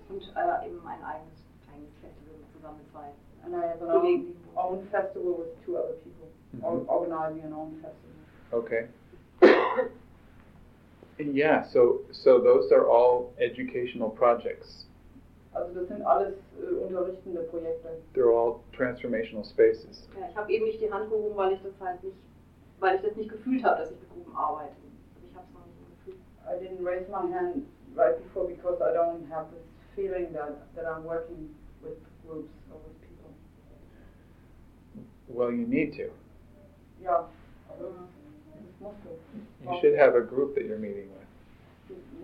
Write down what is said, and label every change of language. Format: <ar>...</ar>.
<de>Und eben ein eigenes Festival zusammen mit zwei.</de> <en>And I have an own festival with two other people. Mm-hmm. Organizing an own festival. Okay. Yeah, so those are all educational projects.</en> <de>Also das sind alles unterrichtende Projekte.</de> <en>They're all transformational spaces.</en> <de>Ja, ich habe eben nicht die Hand gehoben, weil ich das nicht gefühlt habe, dass ich mit Gruppen arbeite. Ich habe es noch nicht gefühlt.</de> <en>I didn't raise my hand right before because I don't have this feeling that I'm working with groups or with people. Well, you need to. Yeah. You should have a group that you're meeting with.</en>